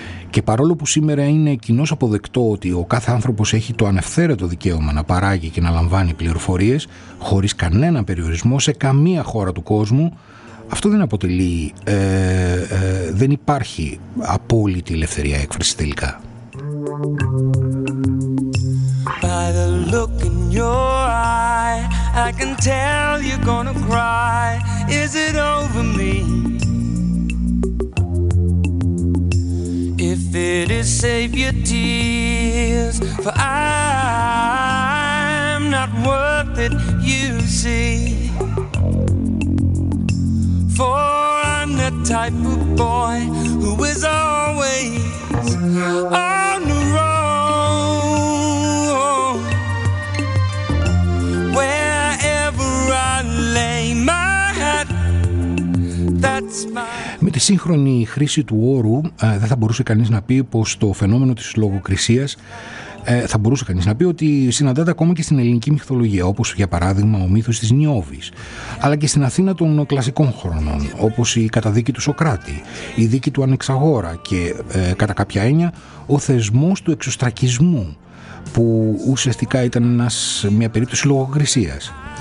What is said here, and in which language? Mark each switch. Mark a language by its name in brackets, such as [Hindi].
[Greek] Και παρόλο που σήμερα είναι κοινώς αποδεκτό ότι ο κάθε άνθρωπος έχει το ανευθέρετο δικαίωμα να παράγει και να λαμβάνει πληροφορίες χωρίς κανένα περιορισμό σε καμία χώρα του κόσμου, αυτό δεν αποτελεί, δεν υπάρχει απόλυτη ελευθερία έκφρασης τελικά. [English] By the look in your eye, I can tell you're gonna cry. Is it over me? If it is, save your tears, for I'm not worth it, you see. For I'm the type of boy who is always on the road. Wherever I lay my hat, that's my... [Greek] Με τη σύγχρονη χρήση του όρου δεν θα μπορούσε κανείς να πει πως το φαινόμενο της λογοκρισίας θα μπορούσε κανείς να πει ότι συναντάται ακόμα και στην ελληνική μυθολογία, όπως για παράδειγμα ο μύθος της Νιώβης, αλλά και στην Αθήνα των κλασικών χρονών, όπως η καταδίκη του Σοκράτη, η δίκη του Ανεξαγόρα και κατά κάποια έννοια ο θεσμός του εξωστρακισμού, που ουσιαστικά ήταν μια περίπτωση λογοκρισίας.